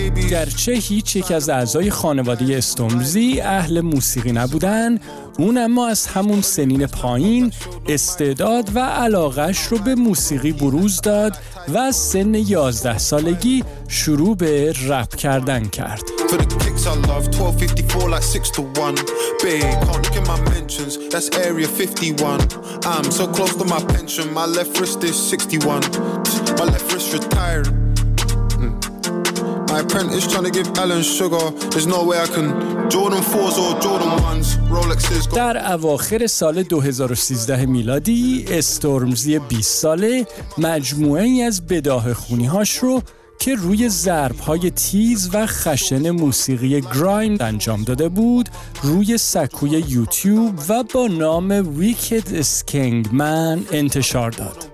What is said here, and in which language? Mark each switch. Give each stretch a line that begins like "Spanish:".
Persian: گرچه هیچ یک از اعضای خانواده استورمزی اهل موسیقی نبودن، اون اما از همون سنین پایین استعداد و علاقه‌اش رو به موسیقی بروز داد و از سن 11 سالگی شروع به رپ کردن کرد.
English: I love 1254 like 6 to 1. Babe, can't look at my mentions. That's area 51. I'm so close to my pension. My left wrist is 61. My left wrist retired. My apprentice trying to give Alan sugar. There's no way I can. Jordan 4s or Jordan 1s.
Persian: در اواخر سال 2013 میلادی استورمزی 20 ساله مجموعه ای از بداهه خونی هاش رو که روی ضرب‌های تیز و خشن موسیقی گرایم انجام داده بود روی سکوی یوتیوب و با نام ویکد اسکنگ من انتشار داد.